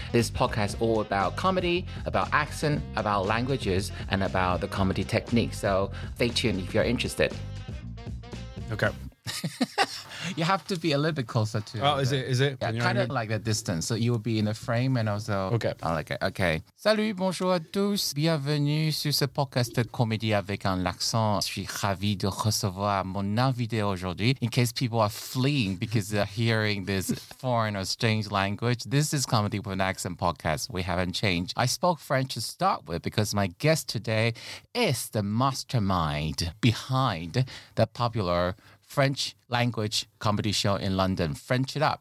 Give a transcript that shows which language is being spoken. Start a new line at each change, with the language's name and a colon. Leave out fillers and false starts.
English: This podcast is all about comedy, about accent, about languages, and about the comedy technique. So stay tuned if you're interested. Okay. You have to be a little bit closer to. Oh, is it? Yeah, kind of like the distance. So you will be in the frame and also. Okay. I like it. Okay.
French: Salut, bonjour à tous. Bienvenue sur ce podcast de comédie avec un accent. Je suis ravi de recevoir mon invité aujourd'hui.
English: In case people are fleeing because they're hearing this foreign or strange language, this is Comedy with an Accent podcast. We haven't changed. I spoke French to start with because my guest today is the mastermind behind the popular French language comedy show in London, French It Up.